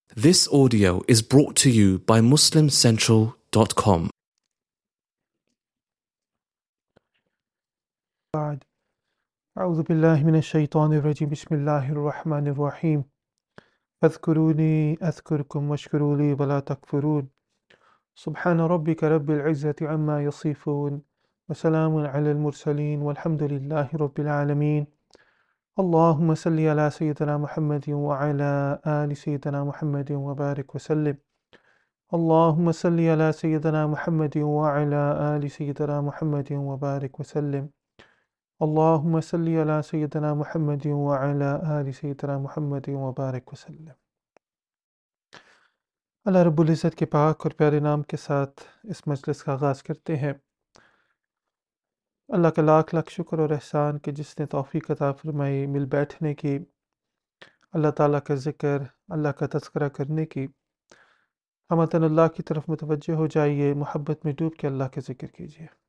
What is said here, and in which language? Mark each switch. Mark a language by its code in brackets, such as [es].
[en] This audio is brought to you by MuslimCentral.com. [ar] بعد أعوذ بالله من الشيطان الرجيم بسم الله الرحمن الرحيم فاذكروني أذكركم واشكروا لي ولا تكفرون سبحان ربك رب العزة عما يصفون وسلام على المرسلين والحمد لله رب العالمين اللهم صل على سيدنا محمد وعلى آل سيدنا محمد وبارك وسلم اللهم صل على سيدنا محمد وعلى آل سيدنا محمد وبارك وسلم اللهم صل على سيدنا محمد وعلى آل سيدنا محمد وبارك وسلم [ur] اللہ رب العزت کے پاک اور پیارے نام کے ساتھ اس مجلس کا آغاز کرتے ہیں. اللہ کا لاکھ لاکھ شکر اور احسان کہ جس نے توفیق عطا فرمائی مل بیٹھنے کی, اللہ تعالیٰ کا ذکر, اللہ کا تذکرہ کرنے کی. ہمتن اللہ کی طرف متوجہ ہو جائیے, محبت میں ڈوب کے اللہ کا ذکر کیجیے.